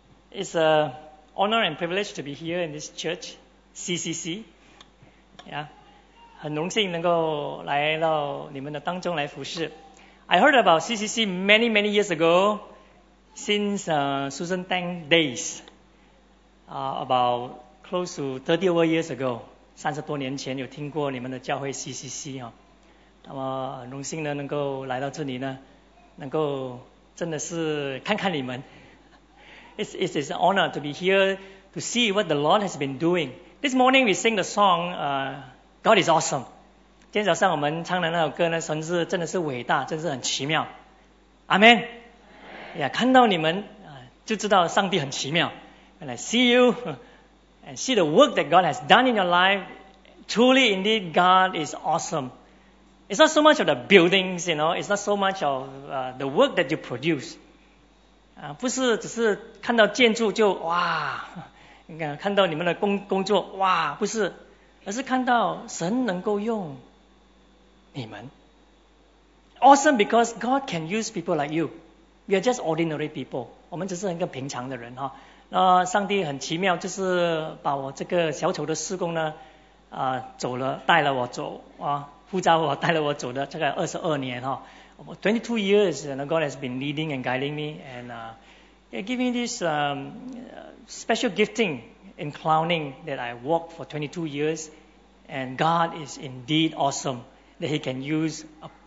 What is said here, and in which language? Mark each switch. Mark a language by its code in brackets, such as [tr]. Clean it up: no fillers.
[en] It's an honor and privilege to be here in this church, CCC. Yeah. [zh] 很荣幸能够来到你们的当中来服侍。 [en] I heard about CCC many, many years ago. Since Susan Tang days, about close to 30 over years ago, [zh] 三十多年前有听过你们的教会 CCC 哈、哦，那么很荣幸呢能够来到这里呢，能够真的是看看你们。 [en] It's an honor to be here to see what the Lord has been doing. This morning we sing the song, God is awesome. [zh] 今天早上我们唱的那首歌呢，神是真的是伟大，真的是很奇妙。 Amen. Yeah, 看到你们就知道上帝很奇妙。 [en] And I see you and see the work that God has done in your life. Truly, indeed, God is awesome. It's not so much of the buildings, you know. It's not so much of the work that you produce. [zh] 不是只是看到建筑就哇，看到你们的工作哇，不是，而是看到神能够用你们。 [en] Awesome because God can use people like you. We are just ordinary people. [zh] 我们只是一个平常的人哈。那上帝很奇妙，就是把我这个小丑的施工呢，走了，带了我走啊，呼召我，带了我走的这个22年哈。 [en] 22 years, and God has been leading and guiding me, and giving me this special gifting in clowning that I worked for 22 years. And God is indeed awesome that He can use a.